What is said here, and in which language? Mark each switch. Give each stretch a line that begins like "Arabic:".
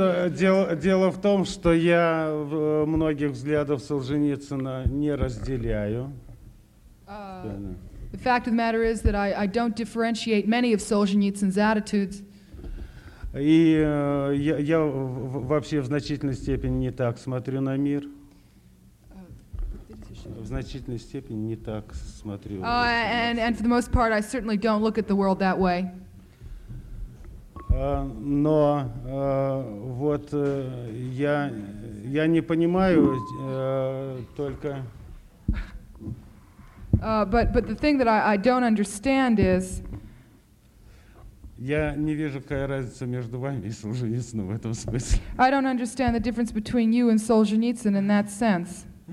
Russian: Дело в том, что я многих взглядов Солженицына не разделяю.
English: The fact of the matter is that I don't differentiate many of Solzhenitsyn's attitudes.
Russian: И я вообще в значительной степени не так смотрю на мир. В значительной степени не так смотрю.
English: And for the most part, I certainly don't look at the world that way.
Russian: Но вот я не понимаю только.
English: But the thing that I don't understand is.
Russian: Я не вижу, какая разница между вами и Солженицыным в этом смысле.
English: I don't understand the difference between you and Solzhenitsyn in that sense.